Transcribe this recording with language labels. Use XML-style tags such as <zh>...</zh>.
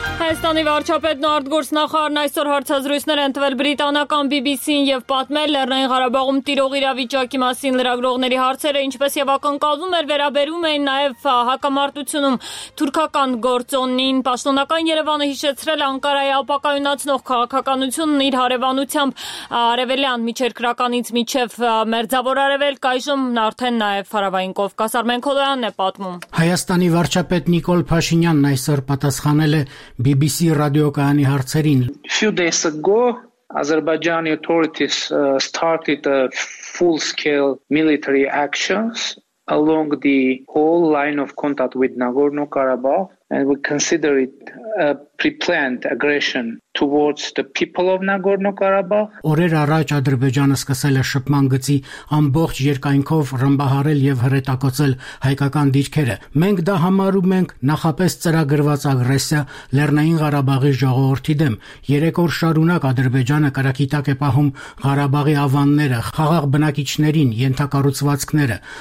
<hy>Հայաստանի վարչապետն ու արտգործնախարարն այսօր հարցազրույցներ են տվել բրիտանական BBC-ին և պատմել Լեռնային Ղարաբաղում տիրող իրավիճակի մասին լրագրողների հարցերը, ինչպես և ակնկալվում էր, վերաբերում էին նաև հակամարտությունում թուրքական գործոնին։ Պաշտոնական Երևանը հիշեցրել Անկարայի ապակայունացնող քաղաքականությունն իր հարևանությամբ արևելյան միջերկրականից մինչև մերձավոր արևելք, այժմ արդեն նաև հարավային Կովկաս, Արմեն Քոլոյանն է պատմում։ Հայաստանի վարչապետ Նիկոլ Փաշինյանն այսօր պատասխանել է BBC ռադիոկայանի հարցերին.</hy> <en>Few days ago, Azerbaijani authorities started full-scale military actions along the whole line of contact with Nagorno-Karabakh, and we consider it a pre-planned aggression towards the people of Nagorno-Karabakh.</en> <hy>Օրեր առաջ Ադրբեջանը սկսել է շփման գծի ամբողջ երկայնքով ռմբահարել եւ հրետակոծել հայկական դիրքերը։ Մենք դա համարում ենք նախապես ծրագրված ագրեսիա Լեռնային Ղարաբաղի ժողովրդի դեմ։ 3 օր շարունակ Ադրբեջանը կրակի տակ է պահում Ղարաբաղի ավանները, խաղաղ բնակիչներին, ենթակառուցվածքները։</hy>